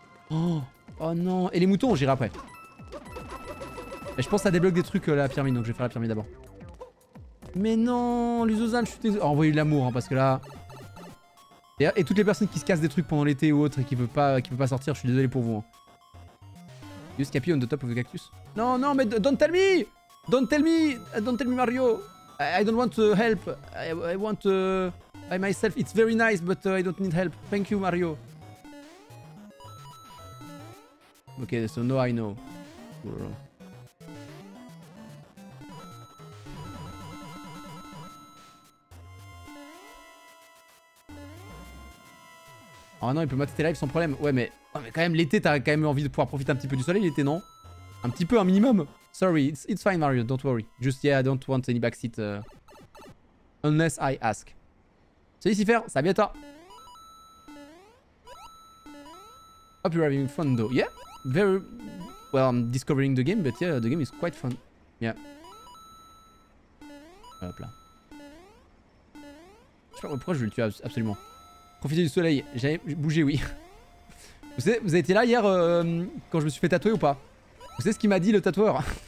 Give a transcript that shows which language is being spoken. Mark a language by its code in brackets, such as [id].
[fr] Oh, oh non! Et les moutons, j'irai après. Mais je pense que ça débloque des trucs la pyramide, donc je vais faire la pyramide d'abord. Mais non, Lusosan, je suis désolé. Oh, on va eu de l'amour, hein, parce que là. Et toutes les personnes qui se cassent des trucs pendant l'été ou autre et qui peuvent pas sortir, je suis désolé pour vous. [en] Hein. You scapy on the top of the cactus? [fr] Non, non, mais [en] don't tell me! Don't tell me! Don't tell me, Mario! I don't want to help. I want to... I myself, it's very nice, but I don't need help. Thank you, Mario. Okay, so now I know. [fr] Oh non, il peut mater tes lives sans problème. Ouais, mais... Oh, mais quand même, l'été, t'as quand même envie de pouvoir profiter un petit peu du soleil, l'été, non? Un petit peu, un minimum. [en] Sorry, it's fine, Mario, don't worry. Just, yeah, I don't want any backseat. Unless I ask. [fr] Salut, Cipher, ça va bien, toi? [en] Hope you're having fun, though. Yeah, very... Well, I'm discovering the game, but yeah, the game is quite fun. Yeah. [fr] Hop là. Je sais pas pourquoi je vais le tuer, absolument. Profiter du soleil, j'ai bougé, oui. Vous savez, vous avez été là hier, quand je me suis fait tatouer ou pas? Vous savez ce qu'il m'a dit, le tatoueur?